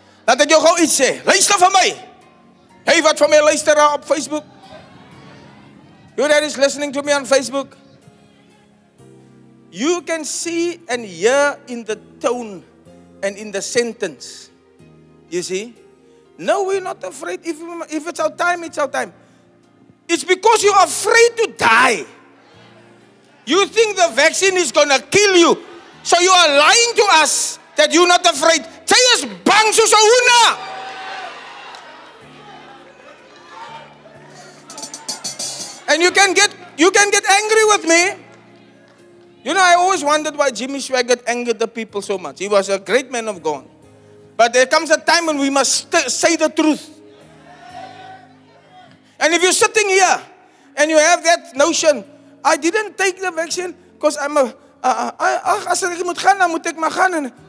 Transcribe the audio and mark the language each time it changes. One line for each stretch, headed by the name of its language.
Afrikaans: Laat ek jou gou iets sê, luister vir my. Hey, wat van my luisteraar op Facebook?
English: You that is listening to me on Facebook? You can see and hear in the tone and in the sentence. You see? No, we're not afraid. If it's our time, it's our time. It's because you are afraid to die. You think the vaccine is going to kill you. So you are lying to us that you're not afraid. Say us bang so una. And you can get angry with me. You know, I always wondered why Jimmy Swaggart angered the people so much. He was a great man of God. But there comes a time when we must say the truth. And if you're sitting here and you have that notion, I didn't take the vaccine because I'm a...
Afrikaans: as ek moet gaan, dan moet ek maar gaan.